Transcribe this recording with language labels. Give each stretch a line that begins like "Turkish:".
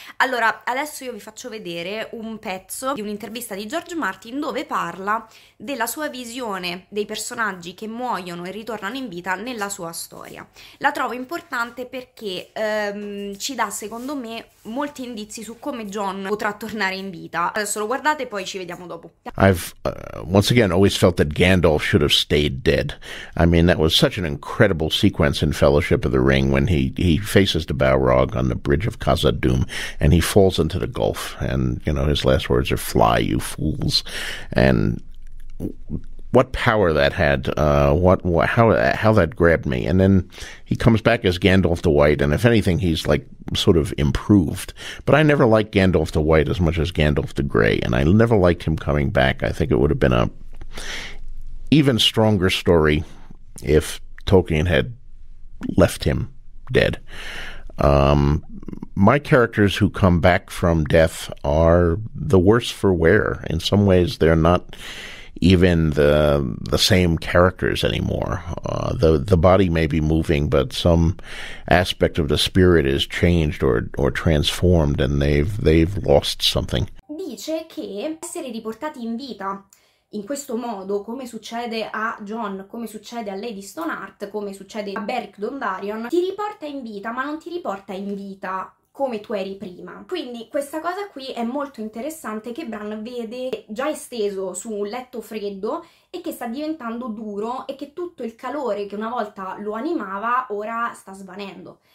Italian: Allora, adesso io vi faccio vedere un pezzo di un'intervista di George Martin dove parla della sua visione dei personaggi che muoiono e ritornano in vita nella sua storia. La trovo importante perché ci dà, secondo me, molti indizi su come John potrà tornare in vita. Adesso lo guardate e poi ci vediamo dopo.
English: Once again, always felt that Gandalf should have stayed dead. I mean, that was such an incredible sequence in Fellowship of the Ring when he faces the Balrog on the bridge of Khazad-dûm, and he falls into the gulf, and you know his last words are "Fly, you fools!" And what power that had! How that grabbed me! And then he comes back as Gandalf the White, and if anything, he's like sort of improved. But I never liked Gandalf the White as much as Gandalf the Grey, and I never liked him coming back. I think it would have been a even stronger story if Tolkien had left him dead. My characters who come back from death are the worse for wear. In some ways, they're not even the same characters anymore. The body may be moving, but some aspect of the spirit is changed or transformed, and they've lost something.
Italian: Dice che essere riportati in vita in questo modo, come succede a John, come succede a Lady Stoneheart, come succede a Beric Dondarrion, ti riporta in vita, ma non ti riporta in vita come tu eri prima. Quindi questa cosa qui è molto interessante che Bran vede già esteso su un letto freddo e che sta diventando duro e che tutto il calore che una volta lo animava ora sta svanendo.